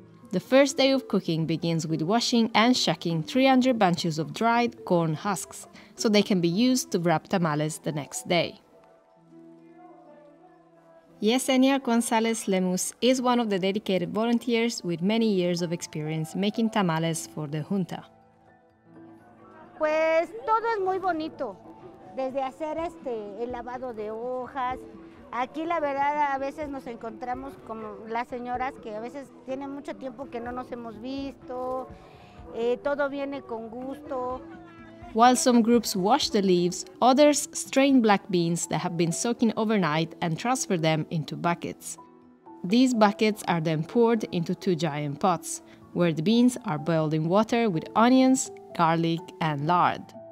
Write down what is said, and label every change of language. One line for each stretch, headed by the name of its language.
English: The first day of cooking begins with washing and shucking 300 bunches of dried corn husks so they can be used to wrap tamales the next day. Yesenia Gonzalez Lemus is one of the dedicated volunteers with many years of experience making tamales for the junta.
Spanish: Pues todo es muy bonito, desde hacer el lavado de hojas. Aquí la verdad a veces nos encontramos con las señoras que a veces tienen mucho tiempo que no nos hemos visto. Todo viene con gusto.
English: While some groups wash the leaves, others strain black beans that have been soaking overnight and transfer them into buckets. These buckets are then poured into two giant pots, where the beans are boiled in water with onions, garlic and lard.